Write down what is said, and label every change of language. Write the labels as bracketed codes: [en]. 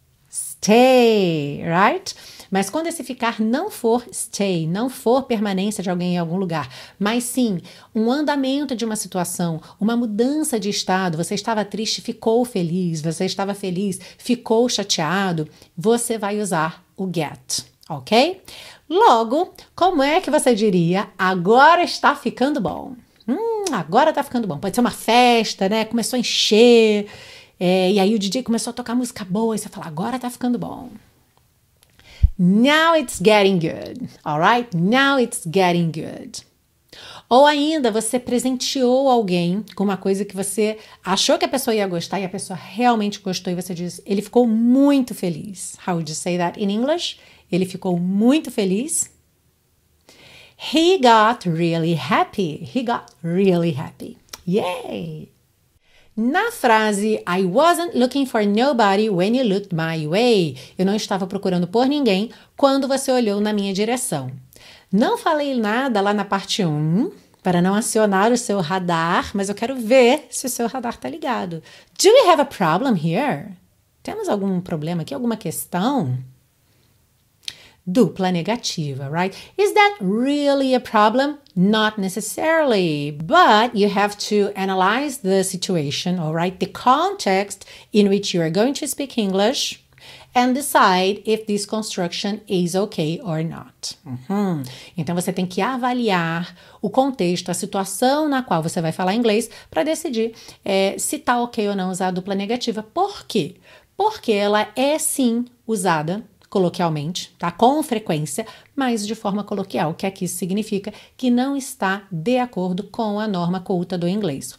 [en] Stay, right? [pt] Mas quando esse ficar não for stay, não for permanência de alguém em algum lugar, mas sim um andamento de uma situação, uma mudança de estado, você estava triste, ficou feliz, você estava feliz, ficou chateado, você vai usar o get, ok? Logo, como é que você diria agora está ficando bom? Agora está ficando bom. Pode ser uma festa, né? Começou a encher, e aí o DJ começou a tocar música boa e você fala agora está ficando bom. [en] Now it's getting good, all right? Now it's getting good. [pt] Ou ainda, você presenteou alguém com uma coisa que você achou que a pessoa ia gostar e a pessoa realmente gostou e você diz, ele ficou muito feliz. [en] How would you say that in English? [pt] Ele ficou muito feliz. [en] He got really happy. He got really happy. Yay! [pt] Na frase, [en] I wasn't looking for nobody when you looked my way. [pt] Eu não estava procurando por ninguém quando você olhou na minha direção. Não falei nada lá na parte 1, para não acionar o seu radar, mas eu quero ver se o seu radar está ligado. [en] Do we have a problem here? [pt] Temos algum problema aqui, alguma questão? Dupla negativa, right? [en] Is that really a problem? Not necessarily, but you have to analyze the situation, all right? The context in which you are going to speak English and decide if this construction is okay or not. Uhum. [pt] Então, você tem que avaliar o contexto, a situação na qual você vai falar inglês para decidir se está ok ou não usar a dupla negativa. Por quê? Porque ela é, sim, usada coloquialmente, tá? Com frequência, mas de forma coloquial, o que aqui significa que não está de acordo com a norma culta do inglês.